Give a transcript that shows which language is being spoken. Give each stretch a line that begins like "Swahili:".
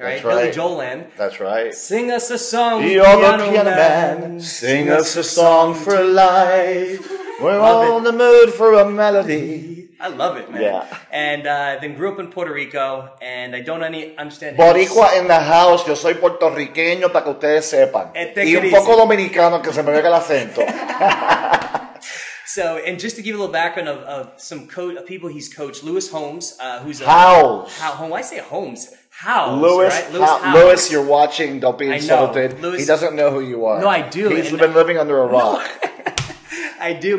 English: That's right. Billy Joel land. That's right. Sing us a song, the piano, piano man. Sing us a song for life. We're all in the mood for a melody. I love it, man. Yeah. And then grew up in Puerto Rico, and I don't understand. Boricua in the house.
Spanish: Yo soy puertorriqueño, para que ustedes sepan. Y un poco dominicano, que se me vea el acento.
English: So, and just to give you a little background of some of people he's coached, Lewis Holmes, who's a... Howes. Why say Holmes? Howes, Lewis, right? Lewis Howes. Lewis, you're watching. Don't be insulted. Lewis, he doesn't know who you are. No, I do. He's been living under a rock. No. I do.